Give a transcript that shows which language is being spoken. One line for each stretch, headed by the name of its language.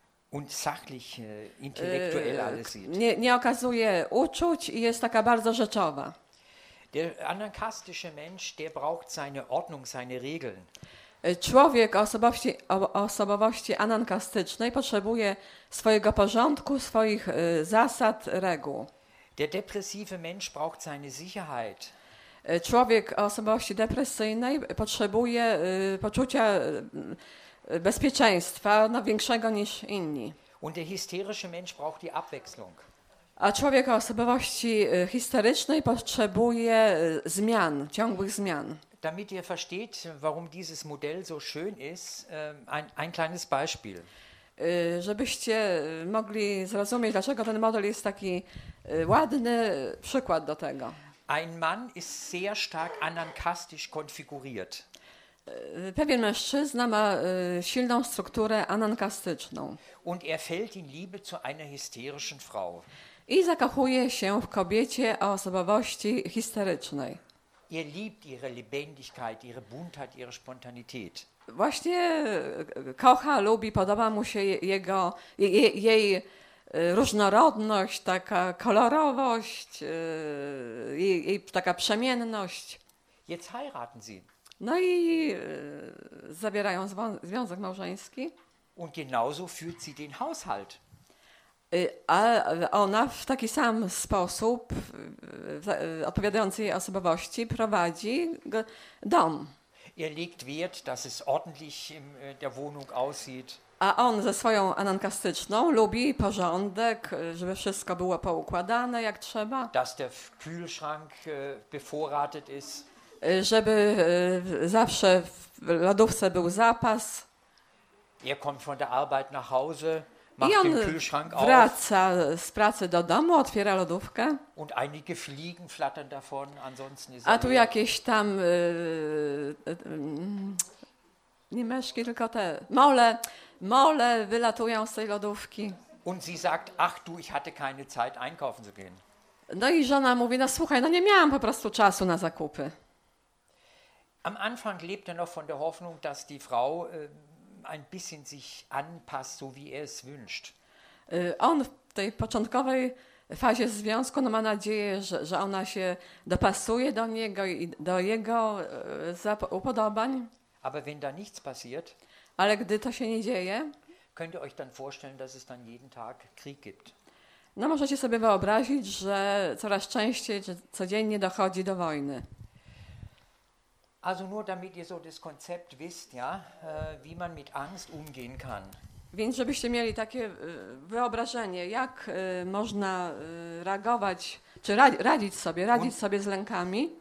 German: Und sachlich, intellektuell alles sieht.
Polish: Nie okazuje uczuć i jest taka bardzo rzeczowa.
German: Der anarchistische Mensch, der braucht seine Ordnung, seine Regeln.
Polish: Człowiek osobowości anarchistycznej potrzebuje swojego porządku, swoich zasad, reguł.
German: Der depressive Mensch braucht seine Sicherheit.
Polish: Człowiek osobowości depresyjnej potrzebuje poczucia bezpieczeństwa, no, większego niż inni.
German: Und der hysterische Mensch braucht die Abwechslung.
Polish: A człowiek o osobowości historycznej potrzebuje zmian, ciągłych zmian.
German: Damit ihr versteht, warum dieses Modell so schön ist, ein kleines Beispiel.
Polish: Żebyście mogli zrozumieć, dlaczego ten model jest taki ładny przykład do tego.
German: Ein Mann ist sehr stark anankastisch konfiguriert.
Polish: Pewien mężczyzna ma silną strukturę anankastyczną.
German: Und er fällt in Liebe zu einer hysterischen Frau.
Polish: I zakochuje się w kobiecie o osobowości histerycznej.
German: Er liebt ihre Lebendigkeit, ihre Buntheit, ihre Spontanität.
Polish: Właśnie kocha, lubi, podoba mu się jej różnorodność, taka kolorowość, jej taka przemienność.
German: Jetzt heiraten sie.
Polish: No i zawierają związek małżeński.
German: Und genauso führt sie den Haushalt.
Polish: A ona w taki sam sposób, odpowiadający jej osobowości, prowadzi dom.
German: Er legt Wert, dass es ordentlich in der Wohnung aussieht.
Polish: A on ze swoją anankastyczną lubi porządek, żeby wszystko było poukładane jak trzeba.
German: Dass der Kühlschrank bevorratet ist.
Polish: Żeby zawsze w lodówce był zapas.
German: Er kommt von der Arbeit nach Hause, macht den Kühlschrank auf.
Polish: Wraca z pracy do domu, otwiera lodówkę.
German: Und einige Fliegen flattern davon, ansonsten ist er.
Polish: A tu jakieś tam nie myszki, tylko te mole wylatują z tej lodówki.
German: Und sie sagt, ach du, ich hatte keine Zeit einkaufen zu gehen.
Polish: No i żona mówi, no słuchaj, no nie miałam po prostu czasu na zakupy.
German: Am Anfang lebt er noch von der Hoffnung, dass die Frau ein bisschen sich anpasst, so wie er es wünscht.
Polish: On w tej początkowej fazie związku no ma nadzieję, że ona się dopasuje do niego i do jego upodobań.
German: Aber wenn da nichts passiert,
Polish: ale gdy to się nie dzieje,
German: könnt ihr euch dann vorstellen, dass es dann jeden Tag Krieg gibt.
Polish: No możecie sobie wyobrazić, że coraz częściej, że codziennie dochodzi do wojny.
German: Also nur damit ihr so das Konzept wisst, ja, wie man mit Angst umgehen kann.
Polish: Więc żebyście mieli takie wyobrażenie, jak można reagować, czy radzić sobie z lękami.